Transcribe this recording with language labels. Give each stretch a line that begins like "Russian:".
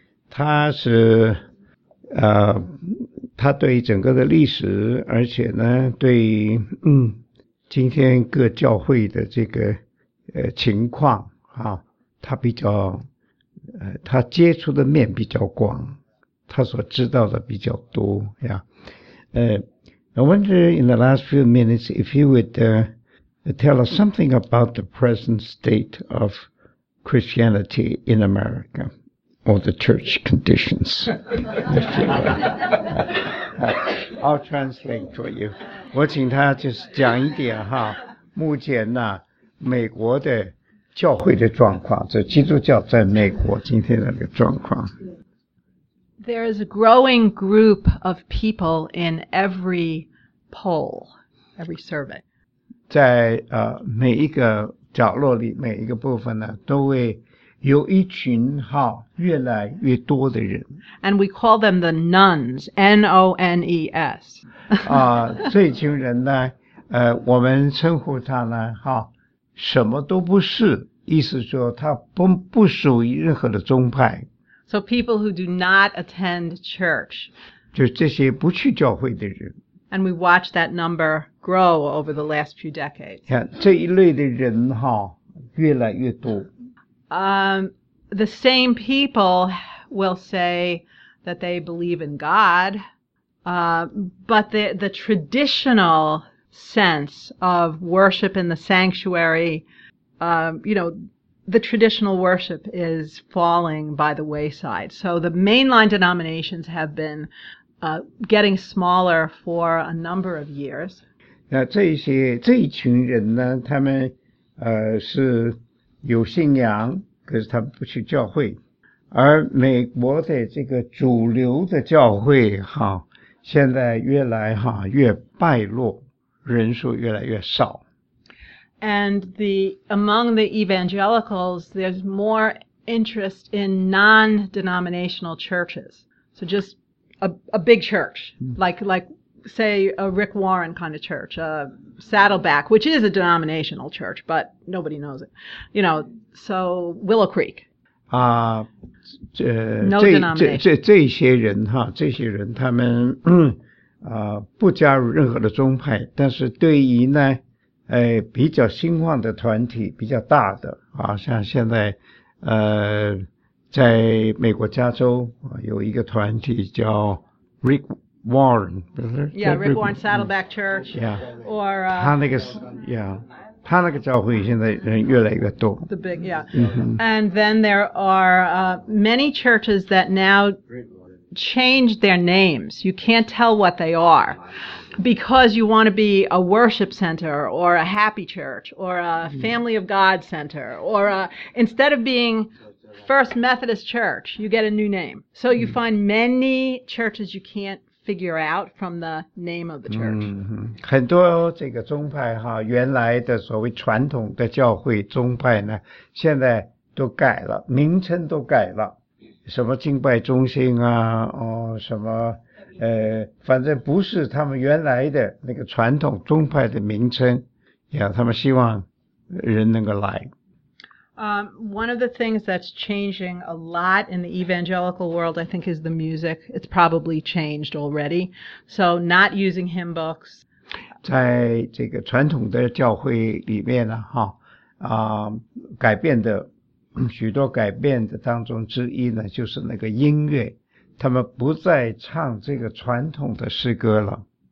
Chinese: 他是他对整个的历史，而且呢，对今天各教会的这个情况啊。他比较他接触的面比较广，他所知道的比较多呀。
English: I wonder in the last few minutes if you would tell us something about the present state of Christianity in America. or the church conditions. If you like. I'll translate for you.
Chinese: 我请他就是讲一点哈，目前呢，美国的教会的状况，这基督教在美国今天的那个状况。
English: There is a growing group of people in every poll, every survey.
Chinese: 在每一个角落里，每一个部分呢，都会有一群哈越来越多的人。
English: And we call them the nuns, N-O-N-E-S.
Chinese: 这群人呢，我们称呼他呢哈，什么都不是，意思说他不属于任何的宗派。
English: So people who do not attend church.
Chinese: 就这些不去教会的人。
English: And we watch that number grow over the last few decades.
Chinese: 这一类的人哈越来越多。
English: The same people will say that they believe in God, but the traditional sense of worship in the sanctuary, the traditional worship is falling by the wayside. So the mainline denominations have been getting smaller for a number of years.
Chinese: 那这一群人呢，他们是有信仰。可是他不去教会，而美国的这个主流的教会哈，现在越来哈越败落，人数越来越少。
English: And the among the evangelicals, there's more interest in non-denominational churches. So just a big church, like say a Rick Warren kind of church, a Saddleback, which is a denominational church, but nobody knows it. You know, so Willow Creek. No denomination.
Chinese: 这些人哈，这些人他们不加入任何的宗派，但是对于呢，比较兴旺的团体比较大的啊，像现在在美国加州有一个团体叫 Rick Warren,
English: Rick Warren Saddleback Church. Yeah. Or,
Chinese: 他那个是, yeah. 他那个教会现在人越来越多。
English: The big, yeah. Mm-hmm. And then there are many churches that now change their names. You can't tell what they are because you want to be a worship center or a happy church or a family of God center or instead of being First Methodist Church, you get a new name. So you find many churches you can't figure out from the name of the church.
Chinese: 很多这个宗派哈，原来的所谓传统的教会宗派呢，现在都改了，名称都改了，什么敬拜中心啊，哦，什么，反正不是他们原来的那个传统宗派的名称，呀，他们希望人能够来。
English: One of the things that's changing a lot in the evangelical world, I think, is the music. It's probably changed already. So not using hymn books.
Chinese: 在这个传统的教会里面呢，哈，改变的，许多改变的当中之一呢，就是那个音乐，他们不再唱这个传统的诗歌了。